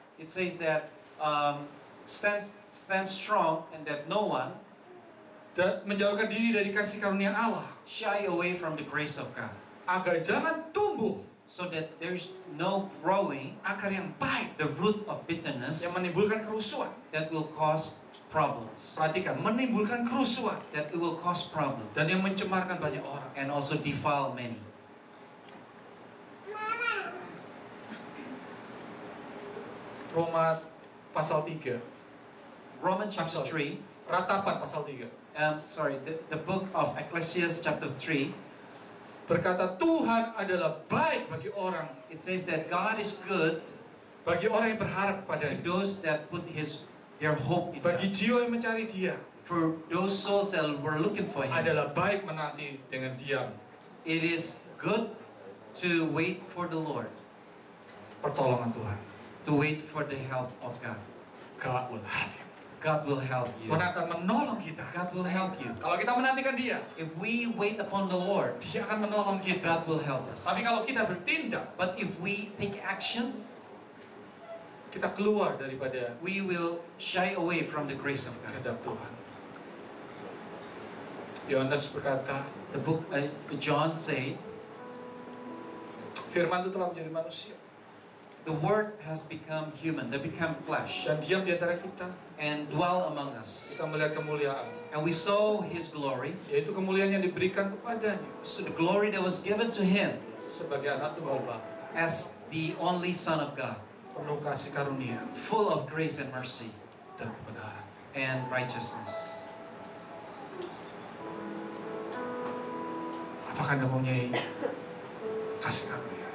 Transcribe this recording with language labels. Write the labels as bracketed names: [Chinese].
[English] It says that stand strong and that no one [Indonesian] menjauhkan diri dari kasih karunia Allah. [English] Shy away from the grace of God. [Indonesian] Agar jangan tumbuh. [English] So that there is no growing. [Indonesian] Akar yang baik. [English] The root of bitterness. [Indonesian] Yang menimbulkan kerusuhan. [English] That will cause problems. [Indonesian] Perhatikan, menimbulkan kerusuhan. [English] That it will cause problems. [Indonesian] Dan yang mencemarkan banyak orang. [English] And also defile many. [Indonesian] Roma pasal 3. [English] Romans chapter 3. [Indonesian] Ratapan pasal 3. [English] The book of Ecclesiastes chapter 3. [Indonesian] berkata Tuhan adalah baik bagi orang. [English] It says that God is good [Indonesian] bagi orang yang berharap pada [English] to those that put his their hope in [Indonesian] bagi God. Jiwa yang mencari Dia. [English] For those souls that were looking for him. [Indonesian] Adalah baik menanti dengan diam. [English] It is good to wait for the Lord. [Indonesian] Pertolongan Tuhan. [English] To wait for the help of God. God will help. God will help you. [Indonesian] Tuhan akan menolong kita. [English] God will help you. [Indonesian] Kalau kita menantikan Dia, [English] if we wait upon the Lord, [Indonesian] Dia akan menolong kita. [English] God will help us. [Indonesian] Tapi kalau kita bertindak, [English] but if we take action, [Indonesian] kita keluar daripada, [English] we will shy away from the grace of God. [Indonesian] Kehendak Tuhan. Yohanes berkata, [English] the book John say, [Indonesian] Firman itu telah menjadi manusia. [English] The word has become human, they become flesh. [Indonesian] Dan diam di antara kita. [English] And dwell among us. [Indonesian] Kita melihat kemuliaan. [English] And we saw his glory. [Indonesian] Yaitu kemuliaan yang diberikan kepadanya. [English] So the glory that was given to him. [Indonesian] Sebagai anak tunggal Bapa. [English] As the only son of God. [Indonesian] Penuh kasih karunia. [English] Full of grace and mercy. [Indonesian] Dan kebenaran. [English] And righteousness. [Indonesian] Apakah anda mempunyai kasih karunia?